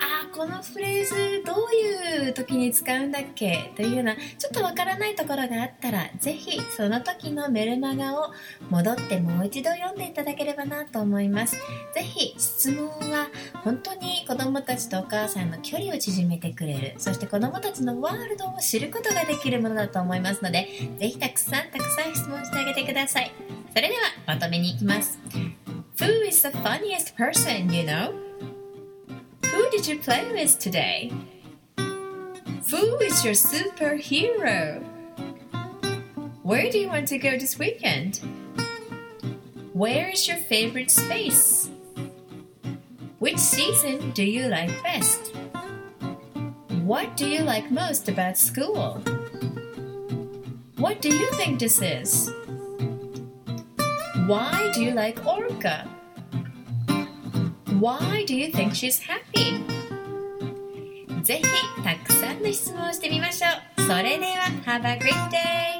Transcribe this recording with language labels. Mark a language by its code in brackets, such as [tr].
[ja] このフレーズどういう時に使うんだっけというような、ちょっとわからないところがあったら、ぜひその時のメルマガを戻ってもう一度読んでいただければなと思います。ぜひ質問は本当に子どもたちとお母さんの距離を縮めてくれる、そして子どもたちのワールドを知ることができるものだと思いますので、ぜひたくさんたくさん質問してあげてください。それではまとめに行きます。 [en] Who is the funniest person you know? Who did you play with today? Who is your superhero? Where do you want to go this weekend? Where is your favorite space? Which season do you like best? What do you like most about school? What do you think this is? Why do you like Orca? Why do you think she's happy? [ja] ぜひたくさんの質問をしてみましょう。それでは、 [en] Have a great day!